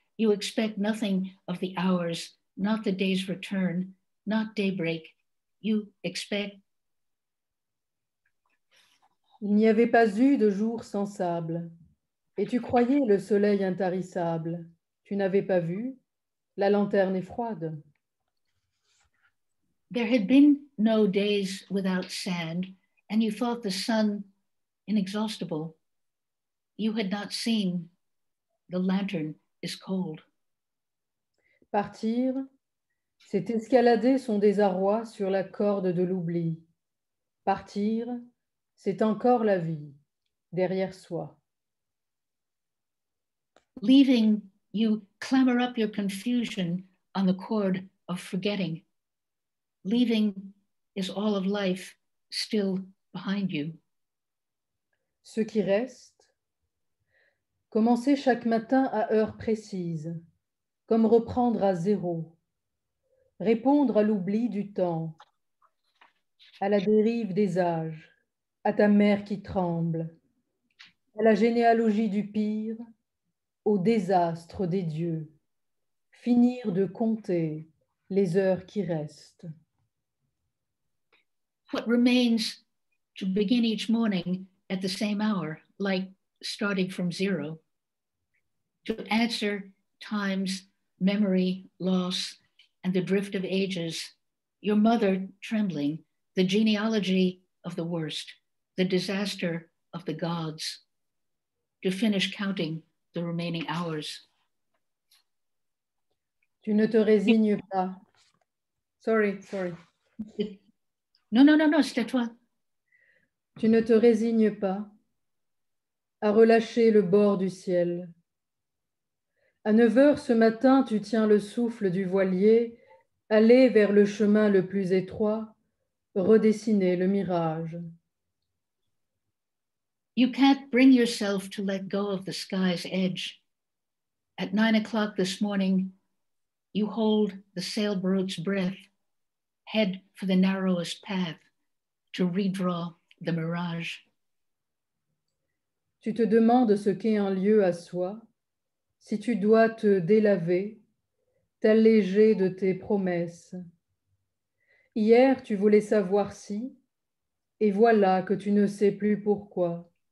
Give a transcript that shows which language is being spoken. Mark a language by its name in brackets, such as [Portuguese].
[English] You expect nothing of the hours, not the day's return, not daybreak. You expect... [French] Il n'y avait pas eu de jour sans sable, et tu croyais le soleil intarissable. Tu n'avais pas vu, la lanterne est froide. [English] There had been no days without sand, and you thought the sun inexhaustible. You had not seen. The lantern is cold. [French] Partir, c'est escalader son désarroi sur la corde de l'oubli. Partir, c'est encore la vie derrière soi. [English] Leaving, you clamber up your confusion on the cord of forgetting. Leaving is all of life still behind you. [French] Ce qui reste, commencer chaque matin à heure précise, comme reprendre à zéro, répondre à l'oubli du temps, à la dérive des âges, à ta mère qui tremble, à la généalogie du pire, au désastre des dieux, finir de compter les heures qui restent. [English] What remains to begin each morning at the same hour, like starting from zero, to answer time's memory, loss, and the drift of ages, your mother trembling, the genealogy of the worst, the disaster of the gods, to finish counting the remaining hours. [French] Tu ne te résignes pas. Sorry. No, c'est à toi. Tu ne te résignes pas à relâcher le bord du ciel. À 9 heures ce matin, tu tiens le souffle du voilier, aller vers le chemin le plus étroit, redessiner le mirage. [English] You can't bring yourself to let go of the sky's edge. At 9 o'clock this morning, you hold the sailboat's breath. Head for the narrowest path to redraw the mirage. [French] Tu te demandes ce qu'est un lieu à soi, si tu dois te délaver, t'alléger de tes promesses. Hier, tu voulais savoir si, et voilà que tu ne sais plus pourquoi.